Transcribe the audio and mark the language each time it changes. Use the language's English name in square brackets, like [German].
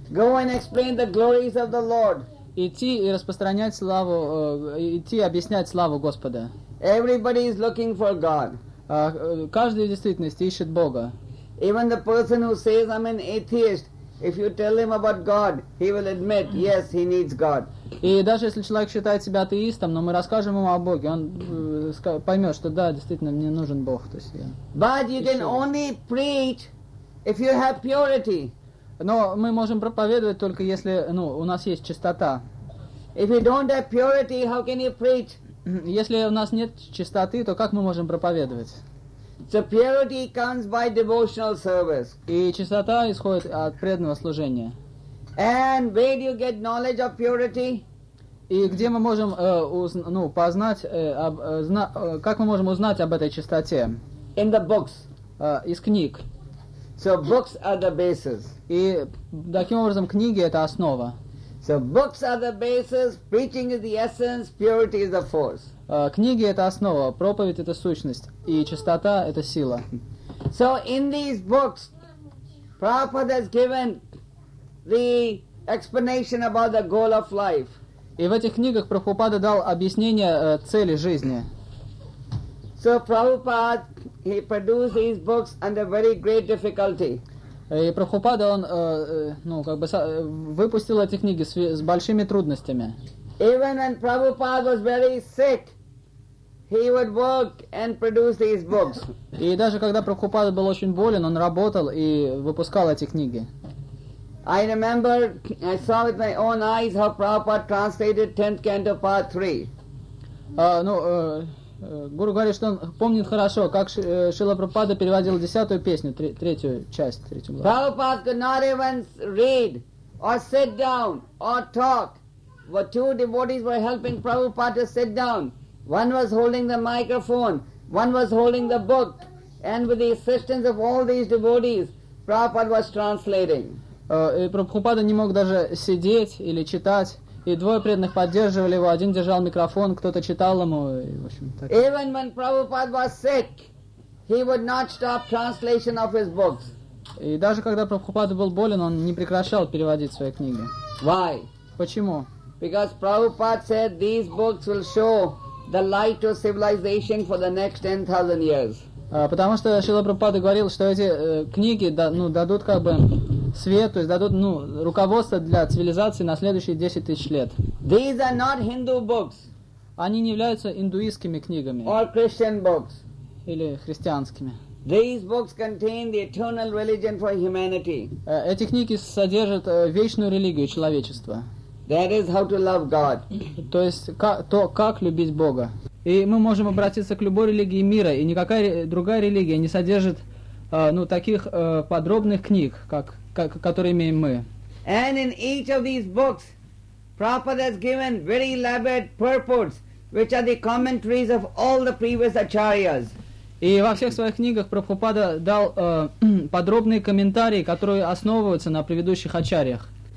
[English] Go and explain the glories of the Lord. [Russian] Идти и распространять славу, идти и объяснять славу Господа. [English] Everybody is looking for God. [Russian] Каждый в действительности ищет Бога. [English] Even the person who says I'm an atheist, if you tell him about God, he will admit, yes, he needs God. [Russian] И даже если человек считает себя атеистом, но мы расскажем ему о Боге, он поймет, что да, действительно, мне нужен Бог. То есть я... [English] But you can only preach if you have purity. [Russian] Но мы можем проповедовать только если, ну, у нас есть чистота. [English] If you don't have purity, how can you preach? [Russian] Если у нас нет чистоты, то как мы можем проповедовать? [English] So purity comes by devotional service. [Russian] И чистота исходит от преданного служения. [English] And where do you get knowledge of purity? [Russian] И где мы можем как мы можем узнать об этой чистоте? [English] In the books. [Russian] Из книг. [English] So books are the basis. [Russian] И таким образом книги это основа. [English] So books are the basis. Preaching is the essence. Purity is the force. [Russian] Книги — это основа, проповедь — это сущность, и чистота — это сила. [English] So in these books, Prabhupada has given the explanation about the goal of life. [Russian] И в этих книгах Прабхупада дал объяснение цели жизни. [English] So Prabhupada, he produced these books under very great difficulty. [Russian] И Прабхупада, он, выпустил эти книги с большими трудностями. [English] Even when Prabhupada was very sick, he would work and produce these books. [Russian] И даже когда Прабхупада был очень болен, он работал и выпускал эти книги. [English] I remember, I saw with my own eyes how Prabhupada translated 10th Canto, Part 3. [Russian] Гуру говорит, что он помнит хорошо, как Шрила Прабхупада переводил 10-ю песню, третью часть, третью главу. [English] Prabhupada could not even read, or sit down, or talk. But two devotees were helping Prabhupada to sit down. One was holding the microphone, one was holding the book, and with the assistance of all these devotees, Prabhupada was translating. [Russian] Прабхупада не мог даже сидеть или читать, и двое преданных поддерживали его. Один держал микрофон, кто-то читал ему, и, в общем, так. [English] Even when Prabhupada was sick, he would not stop translation of his books. [Russian] И даже когда Прабхупада был болен, он не прекращал переводить свои книги. [English] Why? [Russian] Почему? [English] Because Prabhupada said these books will show the light of civilization for the next 10,000 years. [Russian] Потому что Шрила Прабхупада говорил, что эти книги дадут как бы свет, то есть дадут руководство для цивилизации на следующие 10 тысяч лет. [English] These are not Hindu books. [Russian] Они не являются индуистскими книгами. [English] Or Christian books. [Russian] Или христианскими. [English] These books contain the eternal religion for humanity. [Russian] Эти книги содержат вечную религию человечества. [English] That is how to love God. [Russian] То есть как любить Бога. И мы можем обратиться к любой религии мира, и никакая другая религия не содержит таких подробных книг, как которые имеем мы. [English] And in each of these books, Prabhupada has given very elaborate purports, which are the commentaries of all the previous acharyas. [Russian] И во всех своих книгах Прабхупада дал подробные комментарии, которые основываются на предыдущих ачарьях.